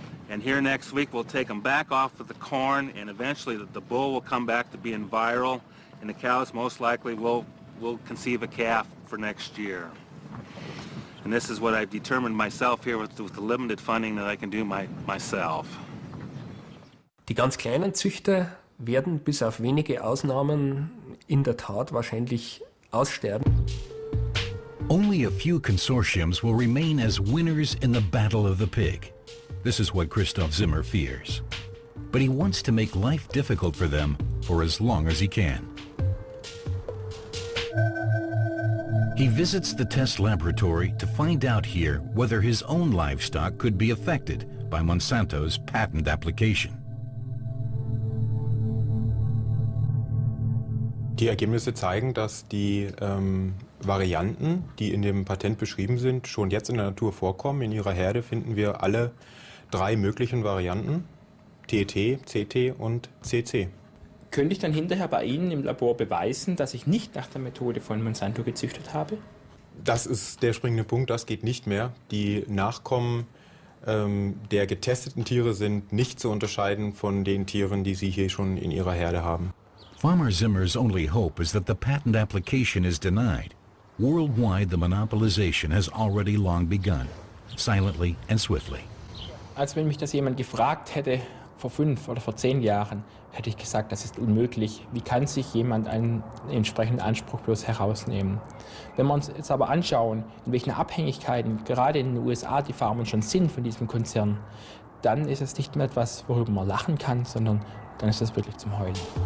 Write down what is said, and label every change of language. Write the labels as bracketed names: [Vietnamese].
[English] And here next week, we'll take them back off of the corn, and eventually the bull will come back to being viral, and the cows most likely will conceive a calf for next year. And this is what I've determined myself here with the limited funding that I can do myself. [German] Die ganz kleinen Züchter werden bis auf wenige Ausnahmen in der Tat wahrscheinlich aussterben. [English] Only a few consortiums will remain as winners in the battle of the pig. This is what Christoph Zimmer fears. But he wants to make life difficult for them for as long as he can. He visits the test laboratory to find out here whether his own livestock could be affected by Monsanto's patent application. [German] Die Ergebnisse zeigen, dass die Varianten, die in dem Patent beschrieben sind, schon jetzt in der Natur vorkommen. In ihrer Herde finden wir alle drei möglichen Varianten, TT, CT und CC. Könnte ich dann hinterher bei Ihnen im Labor beweisen, dass ich nicht nach der Methode von Monsanto gezüchtet habe? Das ist der springende Punkt, das geht nicht mehr. Die Nachkommen der getesteten Tiere sind nicht zu unterscheiden von den Tieren, die Sie hier schon in Ihrer Herde haben. [English] Farmer Zimmer's only hope is that the patent application is denied. Worldwide, the monopolization has already long begun, silently and swiftly. [German] Als wenn mich das jemand gefragt hätte vor 5 oder vor 10 Jahren, hätte ich gesagt, das ist unmöglich. Wie kann sich jemand einen entsprechenden Anspruch bloß herausnehmen? Wenn wir uns jetzt aber anschauen, in welchen Abhängigkeiten gerade in den USA die Farmen schon sind von diesem Konzern, dann ist es nicht mehr etwas, worüber man lachen kann, sondern dann ist das wirklich zum Heulen.